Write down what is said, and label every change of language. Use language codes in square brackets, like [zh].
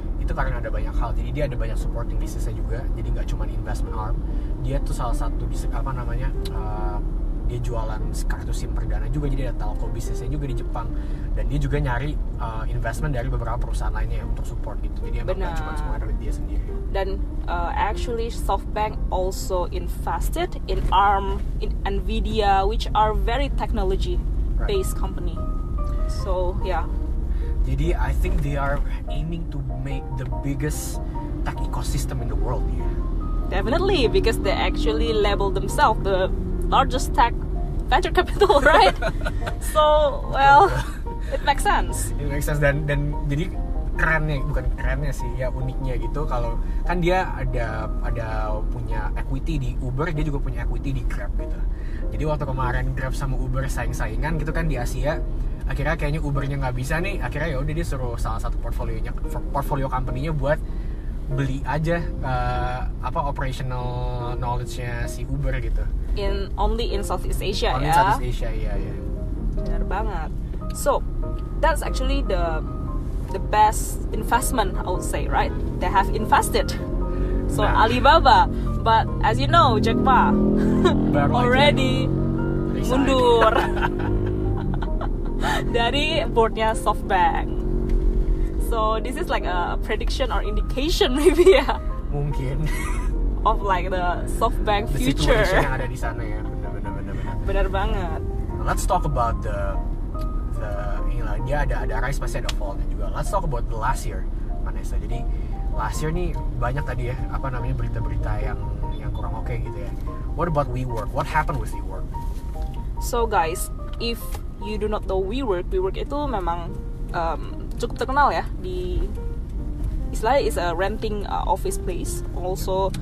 [id] Itu karena ada banyak hal, jadi dia ada banyak supporting business-nya juga, jadi gak cuma investment arm. Dia tuh salah satu bisnis, apa namanya, dia jualan kartu SIM perdana juga, jadi ada telco bisnisnya juga di Jepang. Dan dia juga nyari investment dari beberapa perusahaan lainnya untuk support gitu. Jadi emang gak cuma semua dari dia sendiri. [en] Dan actually SoftBank also invested in ARM, in Nvidia, which are very technology-based right. company. So, yeah. Jadi I think they are aiming to make the biggest tech ecosystem in the world, yeah. Definitely, because they actually label themselves the largest tech venture capital, right? So, well, it makes sense. It makes sense, [id] dan jadi kerennya, bukan kerennya sih, ya uniknya gitu. Kalau kan dia ada punya equity di Uber, dia juga punya equity di Grab gitu. Jadi waktu kemarin Grab sama Uber saing-saingan gitu kan di Asia, akhirnya kayaknya Ubernya nggak bisa nih, akhirnya ya udah dia suruh salah satu portfolio company-nya buat beli aja operational knowledge-nya si Uber gitu. [en] Only in Southeast Asia. [id] Southeast Asia, iya. Benar banget. [en] So, that's actually the best investment I would say, right? They have invested. So nah. Alibaba, but as you know, Jack Ma already mundur. [id] Dari boardnya [en] SoftBank. So this is like a prediction or indication maybe ya. [id] Mungkin. [en] Of like the SoftBank future. [id] Situasi yang ada di sana ya. Benar-benar. Benar banget. [en] Let's talk about the [id] ini lah, dia ada rise pasti ada fallnya juga. [en] Let's talk about the last year, Vanessa. [id] Jadi last year nih banyak tadi ya apa namanya berita-berita yang kurang oke gitu ya. [en] What about WeWork? What happened with WeWork? So guys, if you do not know WeWork, [id] WeWork itu memang cukup terkenal ya di istilahnya [en] is a renting office space, also